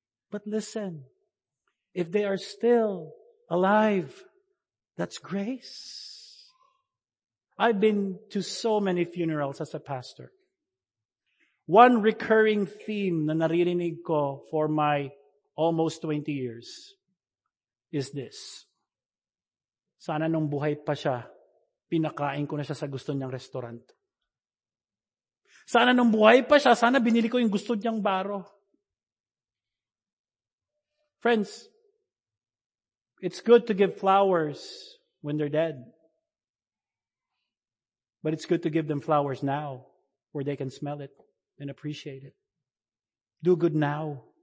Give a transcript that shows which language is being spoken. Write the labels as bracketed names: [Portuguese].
[English] But listen, if they are still alive, that's grace. I've been to so many funerals as a pastor. One recurring theme [Filipino] na naririnig ko [English] for my almost 20 years is this. [Filipino] Sana nung buhay pa siya, pinakain ko na siya sa gusto niyang restaurant. Sana nung buhay pa siya, sana binili ko yung gusto niyang baro. [English] Friends, it's good to give flowers when they're dead. But it's good to give them flowers now where they can smell it and appreciate it. Do good now.